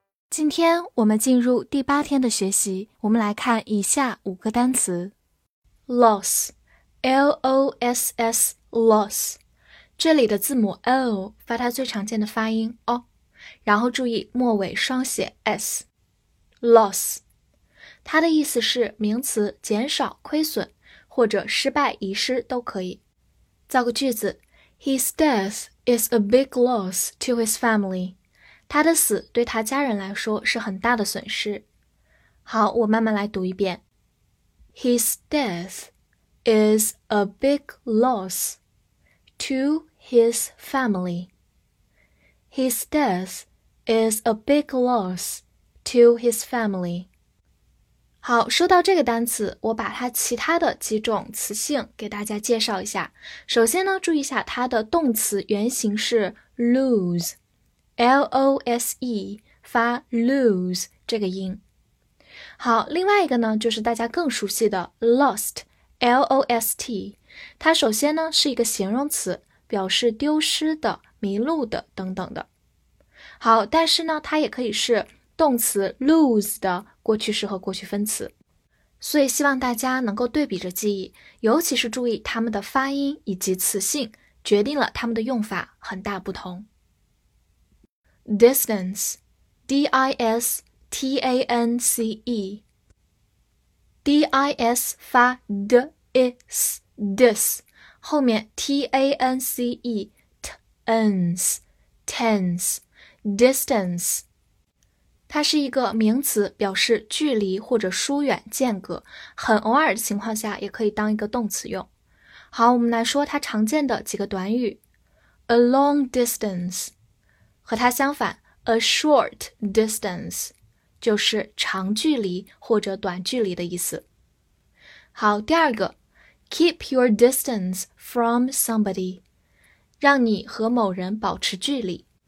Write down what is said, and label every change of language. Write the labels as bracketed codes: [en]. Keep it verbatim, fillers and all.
[zh] 今天我们进入第八天的学习，我们来看以下五个单词 ：loss, L O S S, loss。这里的字母 L 发它最常见的发音 O， 然后注意末尾双写 S。 Loss 它的意思是名词减少、亏损或者失败、遗失都可以。造个句子 [en] His death is a big loss to his family。 [zh] 他的死对他家人来说是很大的损失。好，我慢慢来读一遍。 [en] His death is a big loss to his family. His death is a big loss to his family. [zh] 好，说到这个单词，我把它其他的几种词性给大家介绍一下。首先呢，注意一下它的动词原型是 lose, L O S E, 发 lose 这个音。好，另外一个呢，就是大家更熟悉的 lost, L O S T。它首先呢是一个形容词，表示丢失的、迷路的等等的。好，但是呢它也可以是动词 lose 的过去式和过去分词，所以希望大家能够对比着记忆，尤其是注意它们的发音以及词性，决定了它们的用法很大不同。 Distance, D I S T A N C E, D I S 发 D I S Dis 后面 T A N C E T E N S Tense Distance 它是一个名词，表示距离或者疏远、间隔，很偶尔的情况下也可以当一个动词用。好，我们来说它常见的几个短语。 [en] A long distance [zh] 和它相反 [en] A short distance [zh] 就是长距离或者短距离的意思。好，第二个 [en] Keep your distance from somebody， [zh] 让你和某人保持距离。